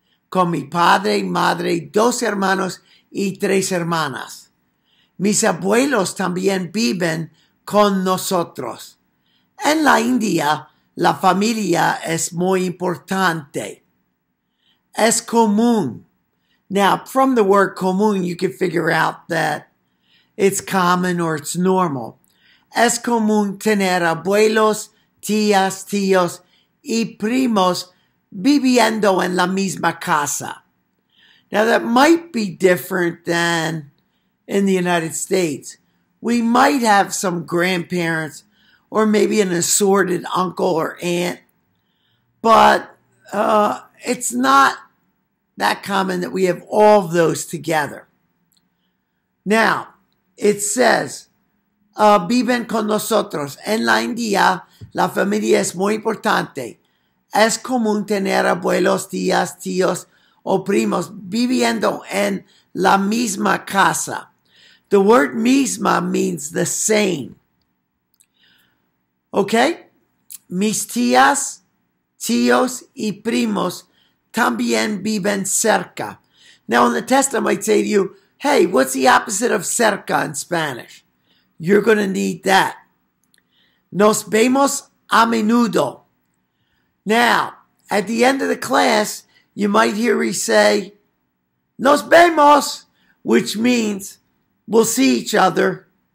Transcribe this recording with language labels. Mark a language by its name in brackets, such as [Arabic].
[Spanish] Con mi padre, madre, dos hermanos y tres hermanas. Mis abuelos también viven con nosotros. En la India, la familia es muy importante. Es común. [English] Now, from the word común, you can figure out that it's common or it's normal. [Spanish] Es común tener abuelos, tías, tíos y primos viviendo en la misma casa. [English] Now, that might be different than in the United States. We might have some grandparents or maybe an assorted uncle or aunt. But it's not that common that we have all of those together. Now, it says, viven con nosotros. [Spanish] En la India, la familia es muy importante. Es común tener abuelos, tías, tíos o primos viviendo en la misma casa. The word misma means the same. Okay, mis tías, tíos, y primos también viven cerca. [English] Now, on the test, I might say to you, hey, what's the opposite of cerca in Spanish? You're going to need that. Nos vemos a menudo. Now, at the end of the class, you might hear me say, nos vemos, which means we'll see each other.